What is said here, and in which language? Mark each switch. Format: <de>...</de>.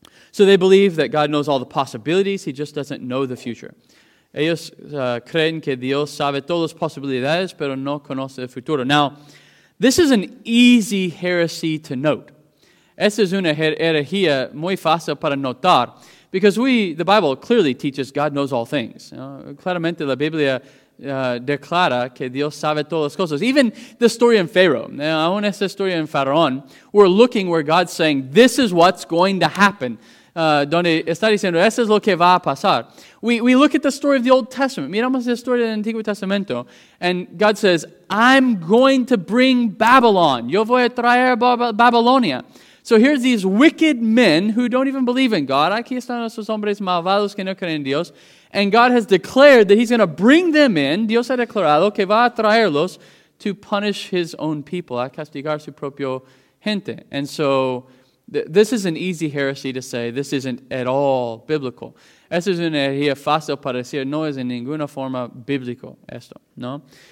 <en>So they believe that God knows all the possibilities, he just doesn't know the future.</en> <es>Ellos creen que Dios sabe todas las posibilidades, pero no conoce el futuro.</es> <en>Now, this is an easy heresy to note.</en> <es>Esta es una herejía muy fácil para notar,</es> <en>because the Bible clearly teaches God knows all things.</en> <es>Claramente la Biblia declara que Dios sabe todas las cosas.</es> <en>Even the story in Pharaoh. Now,</en> <es>aún esta historia en Faraón,</es> <en>we're looking where God's saying, this is what's going to happen.</en> <es>Donde está diciendo, eso es lo que va a pasar.</es> <en>We look at the story of the Old Testament.</en> <es>Miramos la historia del Antiguo Testamento.</es> <en>And God says, I'm going to bring Babylon.</en> <es>Yo voy a traer Babilonia.</es> <en>So here's these wicked men who don't even believe in God.</en> <es>Aquí están esos hombres malvados que no creen en Dios. And God has declared that he's going to bring them in. Dios ha declarado que va a traerlos to punish his own people, a castigar su propio gente.</es> <en>And so this is an easy heresy to say this isn't at all biblical.</en> <es>Esto es una herejía fácil para decir no es en ninguna forma bíblico esto, ¿no?</es>